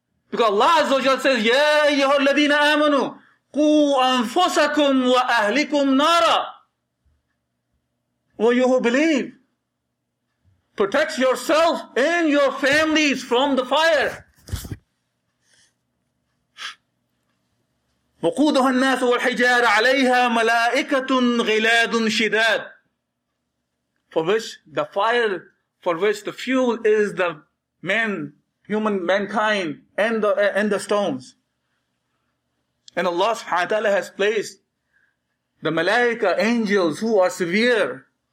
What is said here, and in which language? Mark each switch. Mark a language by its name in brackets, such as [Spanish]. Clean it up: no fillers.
[English] Because [Arabic] Allah Azza wa Jalla [English] says, [Arabic] Ya ayyuhal ladhina amanu, qu anfusakum wa ahlikum nara. [English] Will you who believe? Protect yourself and your families from the fire. [Arabic] وقودها الناس والحجارة عليها ملائكة غلاد شداد. [English] For which the fire, for which the fuel is the men, human mankind, and the stones. And Allah subhanahu wa ta'ala has placed the malaika, angels who are severe.